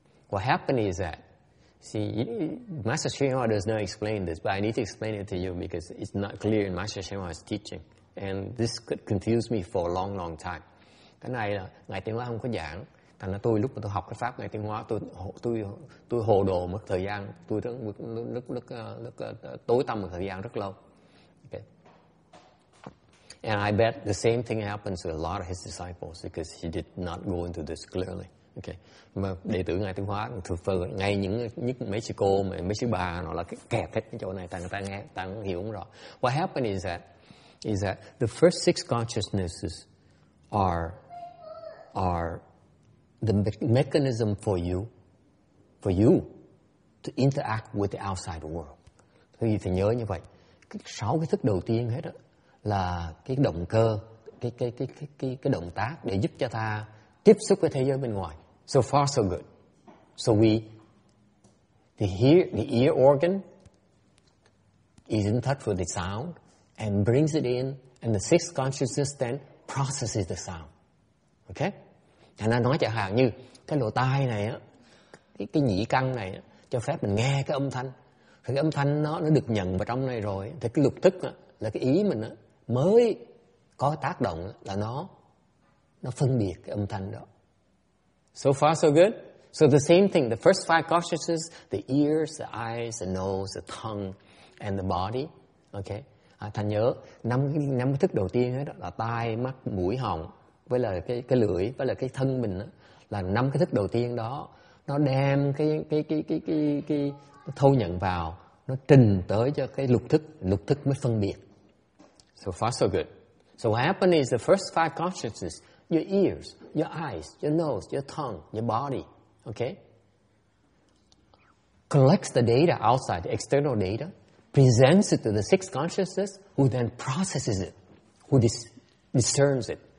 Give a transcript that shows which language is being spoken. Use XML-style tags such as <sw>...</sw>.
<en>What happened is that, see, Master Srinivas does not explain this, but I need to explain it to you because it's not clear in Master Srinivas' teaching. And this could confuse me for a long, long time.</en> <vi>Cái này là Ngài Tiên Hóa không có giảng. Thành ra tôi lúc mà tôi học cái pháp Ngài Tiên Hóa, tôi hồ đồ một thời gian, tôi lúc tối tăm một thời gian rất lâu.</vi> <en>Okay. And I bet the same thing happens to a lot of his disciples because he did not go into this clearly. Okay.</en> <vi>Mà đệ tử Ngài Tiên Hóa thường phơ ngay những mấy sư cô mà mấy sư bà nó là cái kẹt hết cái chỗ này, tại người ta nghe ta không hiểu không rõ.</vi> <en>What happened is that the first six consciousnesses are the mechanism for you to interact with the outside world.</en> <vi>Thì phải nhớ như vậy, cái sáu cái thức đầu tiên hết đó là cái động cơ, cái động tác để giúp cho ta tiếp xúc với thế giới bên ngoài.</vi> <en>So far, so good. So the ear organ is in touch with the sound and brings it in, and the sixth consciousness then processes the sound. Okay?</en> <vi>Thành ra nói chẳng hạn như cái lỗ tai này á, cái nhĩ căn này á, cho phép mình nghe cái âm thanh. Thì cái âm thanh nó được nhận vào trong này rồi, thì cái lục thức á, là cái ý mình á, mới có tác động là nó nó phân biệt cái âm thanh đó.</vi> <en>So far so good. So the same thing, the first five consciousnesses, the ears, the eyes, the nose, the tongue, and the body. Okay.</en> <vi>À, thành nhớ năm thức đầu tiên đó là tai, mắt, mũi, họng với là cái lưỡi với là cái thân mình đó, là năm cái thức đầu tiên đó nó đem cái thâu nhận vào, nó trình tới cho cái lục thức mới phân biệt.</vi> <en>So far so good. So what happened is the first five consciousnesses, your ears, your eyes, your nose, your tongue, your body, okay, collects the data outside, the external data, presents it to the sixth consciousness, who then processes it, who discerns it.</en>